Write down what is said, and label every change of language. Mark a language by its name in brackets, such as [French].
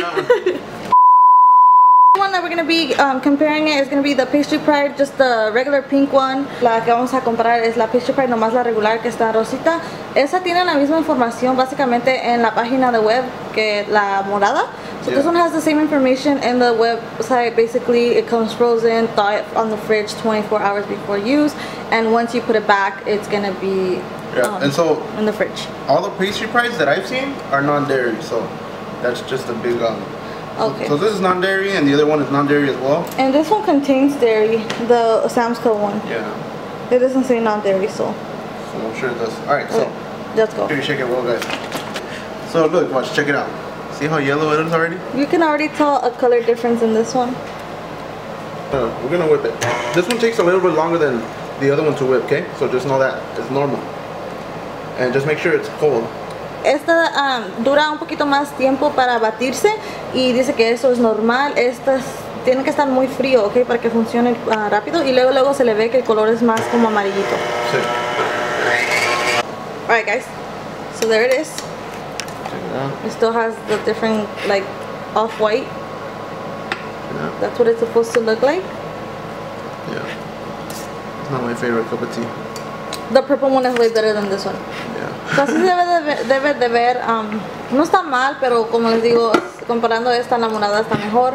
[English] I'm still sticking to that one right now. The one that we're going to be comparing it is going to be the Pastry Pride, just the regular pink one. [Spanish] La que vamos a comparar es la Pastry Pride, nomás la regular que está rosita. Esa tiene la misma información básicamente en la página de web que la morada. [English] So yeah. This one has the same information in the website. Basically, it comes frozen, thaw it on the fridge 24 hours before use, and once you put it back, it's gonna be And so in the fridge. All the Pastry Prides that I've seen are non-dairy, so that's just a big okay. So this is non-dairy, and the other one is non-dairy as well. And this one contains dairy, the Sam's Club one. Yeah. It doesn't say non-dairy, so. I'm sure it does. All right, so let's go. Here, shake it well, guys. So look, watch, check it out. See how yellow it is already? You can already tell a color difference in this one. We're gonna whip it. This one takes a little bit longer than the other one to whip, okay? So just know that it's normal. And just make sure it's cold. [Spanish] Esta dura un poquito más tiempo para batirse y dice que eso es normal. Estas tienen que estar muy frío, okay, para que funcione rápido y luego se le ve que el color es más como amarillito. Sí. [English] All right, guys. So there it is. It still has the different, like, off-white. Yeah. That's what it's supposed to look like. Yeah. It's not my favorite cup of tea. The purple one is way better than this one. Yeah. [Spanish] So así debe de ver. No está mal, pero como les digo, comparando esta, la morada está mejor.